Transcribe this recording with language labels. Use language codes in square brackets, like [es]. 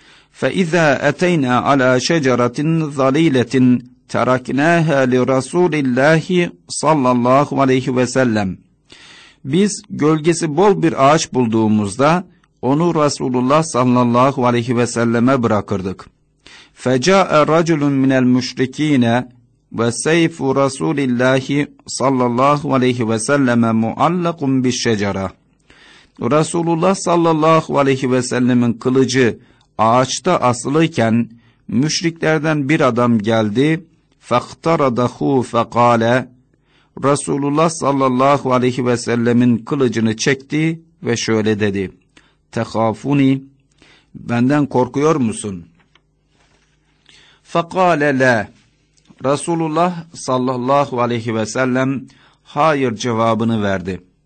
[ar] Fe izâ eteyne ala şeceratin zaliletin تَرَكْنَاهَا لِرَسُولِ اللّٰهِ صَلَّ اللّٰهُ عَلَيْهِ وَسَلَّمْ [tr] Biz gölgesi bol bir ağaç bulduğumuzda onu Resulullah sallallahu aleyhi ve selleme bırakırdık. [ar] فَجَاءَ رَجُلٌ مِنَ الْمُشْرِك۪ينَ وَسَيْفُ رَسُولِ اللّٰهِ صَلَّ اللّٰهُ عَلَيْهِ وَسَلَّمَ مُعَلَّقٌ بِالشَّجَرَةِ [tr] Resulullah sallallahu aleyhi ve sellemin kılıcı ağaçta asılıyken müşriklerden bir adam geldi. [ar] Faktaradahu fekale [tr] Resulullah sallallahu aleyhi ve sellemin kılıcını çekti ve şöyle dedi. [ar] Tehafuni [tr] benden korkuyor musun? [ar] Fekale la [tr] Resulullah sallallahu aleyhi ve sellem hayır cevabını verdi.